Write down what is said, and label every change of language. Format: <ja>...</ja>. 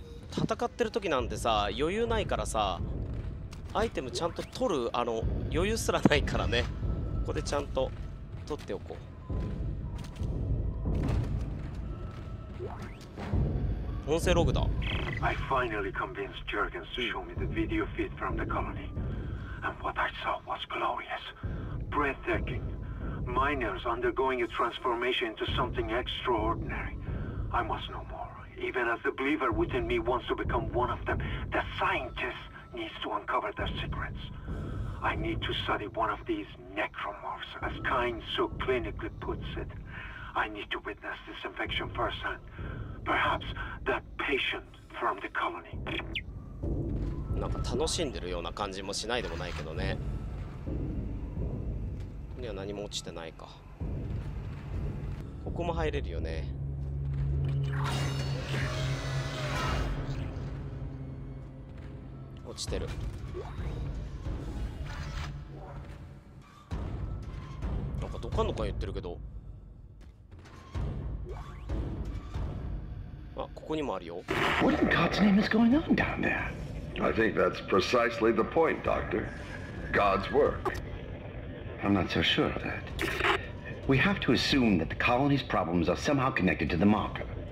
<ja>戦ってる時なんてさ、余裕ないからさ、アイテムちゃんと取る余裕すらないからね。ここでちゃんと取っておこう。音声ログだ。</ja> <en>I finally convinced Jurgens to show me the video feed from the colony. And what I saw was glorious. Breathtaking. Miners undergoing a transformation into something extraordinary. I must know more. Even as the believer within me wants to become one of them, the scientist needs to uncover their secrets. I need to study one of these necromorphs, as Kine so clinically puts it. I need to witness this infection firsthand. Perhaps that patient from the colony.</en> <ja>なんか楽しんでるような感じもしないでもないけどね。いや、何も落ちてないか。ここも入れるよね。落ちてる。なんかどかんどかん言ってるけど。あ、ここにもあるよ。</ja> <en>What in God's name is going on down there? I think that's precisely the point, Doctor. God's work. I'm not so sure of that. We have to assume that the colony's problems are somehow connected to the marker.</en>